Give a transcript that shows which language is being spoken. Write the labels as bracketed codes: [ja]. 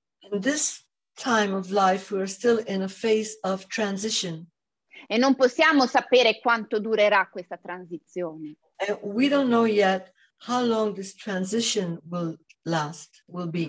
[en] In this time of life, we're still in a phase of transition. [it] E non possiamo sapere quanto durerà questa transizione. [en] And we don't know yet how long this transition will last, will be.